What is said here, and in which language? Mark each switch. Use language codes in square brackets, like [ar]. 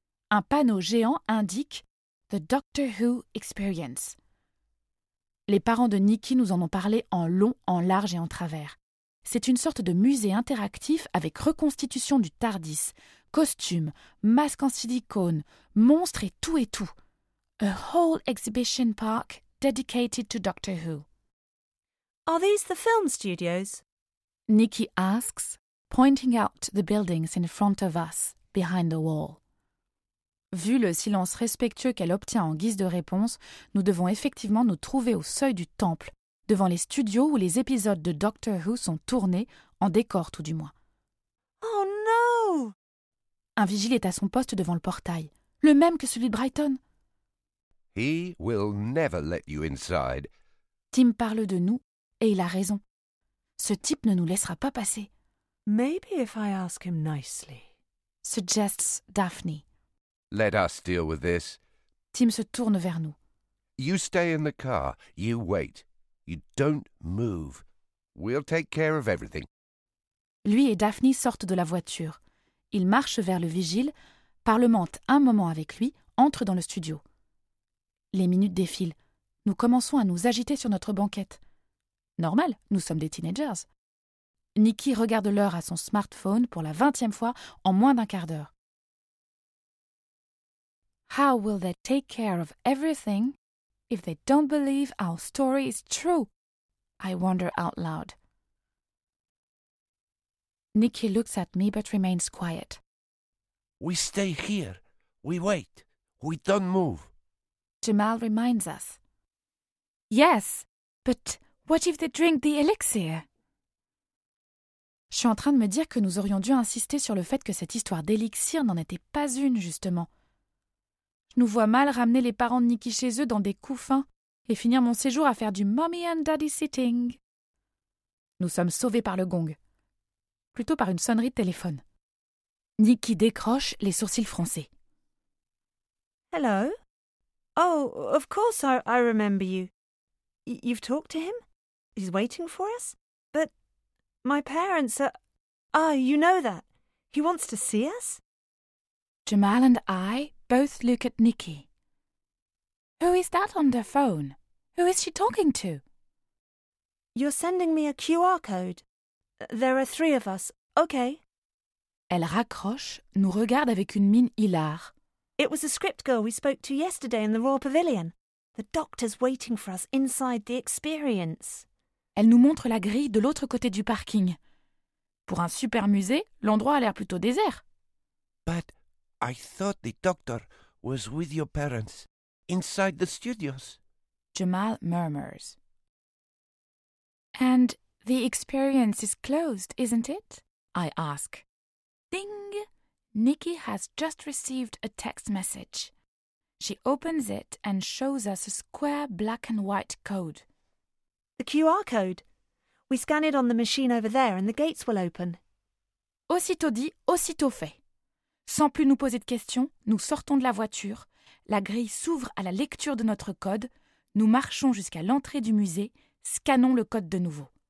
[fr] Un panneau géant indique « The Doctor Who Experience ». Les parents de Nikki nous en ont parlé en long, en large et en travers. C'est une sorte de musée interactif avec reconstitution du TARDIS, costumes, masques en silicone, monstres et tout et tout. [en] A whole exhibition park dedicated to Doctor Who. Are these the film studios? Nikki asks, pointing out the buildings in front of us, behind the wall. [fr] Vu le silence respectueux qu'elle obtient en guise de réponse, nous devons effectivement nous trouver au seuil du temple, devant les studios où les épisodes de Doctor Who sont tournés, en décor tout du moins. Oh non ! Un vigile est à son poste devant le portail, le même que celui de Brighton. [en] He will never let you inside. [fr] Tim parle de nous, et il a raison. Ce type ne nous laissera pas passer. [en] Maybe if I ask him nicely, suggests Daphne. Let us deal with this. [fr] Tim se tourne vers nous. [en] You stay in the car, you wait. You don't move. We'll take care of everything. [fr] Lui et Daphne sortent de la voiture. Ils marchent vers le vigile, parlementent un moment avec lui, entrent dans le studio. Les minutes défilent. Nous commençons à nous agiter sur notre banquette. Normal, nous sommes des teenagers. Nikki regarde l'heure à son smartphone pour la 20e fois en moins d'un quart d'heure. [en] How will they take care of everything if they don't believe our story is true? I wonder out loud. Nikki looks at me but remains quiet. We stay here. We wait. We don't move. Jamal reminds us. Yes, but what if they drink the elixir? [fr] Je suis en train de me dire que nous aurions dû insister sur le fait que cette histoire d'élixir n'en était pas une, justement. Je nous vois mal ramener les parents de Nikki chez eux dans des couffins et finir mon séjour à faire du [en] mommy and daddy sitting. [fr] Nous sommes sauvés par le gong. Plutôt par une sonnerie de téléphone. Nikki décroche, les sourcils froncés. [en] Hello? Oh, of course I remember you. You've talked to him? He's waiting for us? But my parents are... Ah, you know that. He wants to see us? Jamal and I both look at Nikki. Who is that on the phone? Who is she talking to? You're sending me a QR code. There are three of us. Okay. [fr] Elle raccroche, nous regarde avec une mine hilare. [en] It was a script girl we spoke to yesterday in the Royal Pavilion. The doctor's waiting for us inside the experience. [fr] Elle nous montre la grille de l'autre côté du parking. Pour un super musée, l'endroit a l'air plutôt désert. [en] But I thought the doctor was with your parents, inside the studios. Jamal murmurs. And the experience is closed, isn't it? I ask. Ding! Nikki has just received a text message. She opens it and shows us a square black and white code. The QR code. We scan it on the machine over there and the gates will open. [fr] Aussitôt dit, aussitôt fait. Sans plus nous poser de questions, nous sortons de la voiture. La grille s'ouvre à la lecture de notre code. Nous marchons jusqu'à l'entrée du musée, scannons le code de nouveau.